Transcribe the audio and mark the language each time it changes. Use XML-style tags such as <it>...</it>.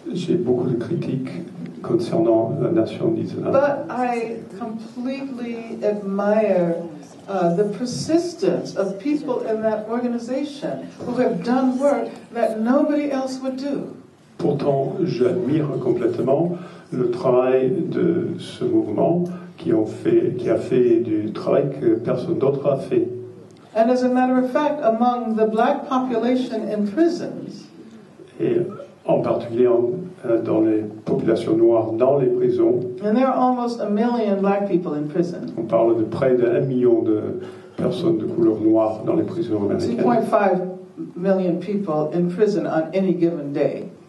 <fr>J'ai beaucoup de critiques concernant la nation d'Israël.</fr> <en>But I completely admire the persistence of people in that organization who have done work that nobody else would do.</en> <fr>Pourtant, j'admire complètement le travail de ce mouvement qui a fait du travail que personne d'autre a fait.</fr> <en>And as a matter of fact, among the black population in prisons,</en> <fr>et en particulier dans les populations noires dans les prisons,</fr> <en>and there are almost a million black people in prison.</en> <fr>On parle de près d'un million de personnes de couleur noire dans les prisons américaines.</fr> <en>2.5 million people in prison on any given day.</en>